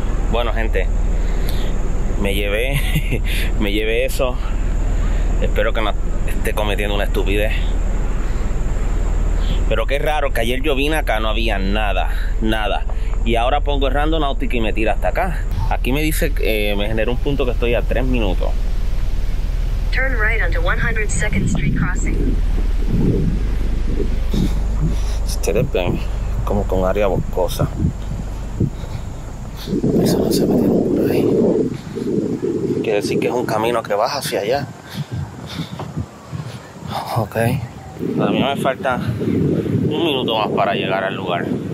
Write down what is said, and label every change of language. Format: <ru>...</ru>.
<es>Bueno, gente, me llevé eso. Espero que no esté cometiendo una estupidez. Pero qué raro que ayer yo vine acá, no había nada. Y ahora pongo el Randonautica y me tira hasta acá. Aquí me dice, me generó un punto que estoy a 3 minutos.</es> <en>Turn right onto 102nd Street Crossing.</en> <es>Ustedes ven como con área boscosa. Eso no se ve por ahí. Quiere decir que es un camino que baja hacia allá. Ok. A mí me falta un minuto más para llegar al lugar.</es>